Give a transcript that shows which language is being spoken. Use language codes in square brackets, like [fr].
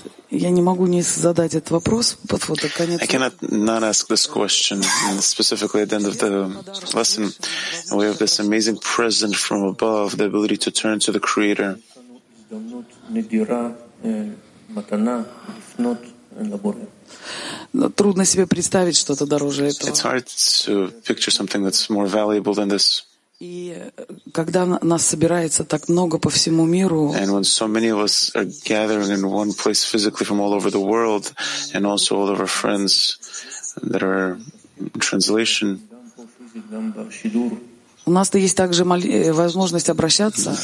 [ru] Я не могу не задать этот вопрос под вот конец. [en] I cannot not ask this question, specifically at the end of the lesson. We have this amazing present from above, the ability to turn to the Creator. Нет дира, матана, нет лаборе. [ru] Трудно себе представить что-то дороже этого. [en] It's hard to picture something that's more valuable than this. [ru] И когда нас собирается так много по всему миру, [en] and when so many of us are gathering in one place physically from all over the world, and also all of our friends that are in translation, [ru] у нас-то есть также возможность обращаться.